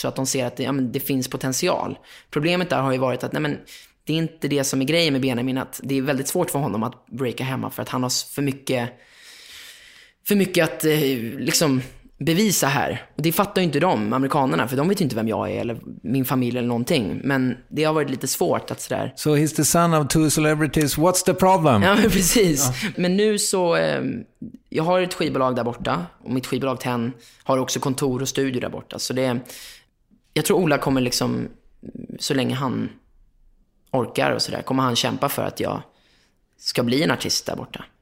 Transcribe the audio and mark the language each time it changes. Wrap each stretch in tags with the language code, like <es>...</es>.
<sv>Så att de ser att det finns potential. Problemet där har ju varit att det är inte det som är grejen med Benjamin. Att det är väldigt svårt för honom att breaka hemma för att han har för mycket att liksom bevisa här. Och det fattar ju inte de, amerikanerna, för de vet ju inte vem jag är eller min familj eller någonting. Men det har varit lite svårt att sådär.</sv> <en>So he's the son of two celebrities, what's the problem?</en> <sv>Ja, men precis. Ja. Men nu så, jag har ett skivbolag där borta och mitt skivbolag Ten har också kontor och studio där borta. Så det, jag tror Ola kommer liksom, så länge han orkar och sådär, kommer han kämpa för att jag ska bli en artist där borta.</sv>